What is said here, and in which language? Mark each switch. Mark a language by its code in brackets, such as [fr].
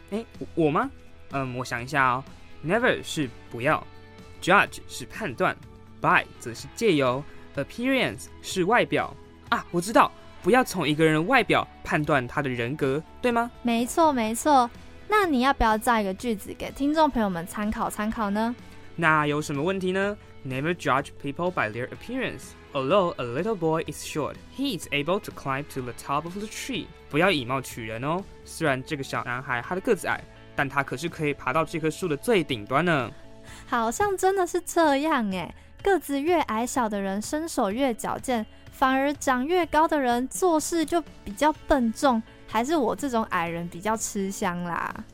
[zh] 诶，我吗？我想一下哦。Never 是不要， Judge 是判断， By 则是借由， Appearance 是外表。啊，我知道，不要从一个人外表判断他的人格，对吗？没错没错。那你要不要造一个句子给听众朋友们参考参考呢？那有什么问题呢？ [en] Never judge people by their appearance. Although a little boy is short, he is able to climb to the top of the tree. [zh] 不要以貌取人哦，虽然这个小男孩他的个子矮，但他可是可以爬到这棵树的最顶端呢。好像真的是这样耶，个子越矮小的人身手越矫健，反而长越高的人做事就比较笨重，还是我这种矮人比较吃香啦。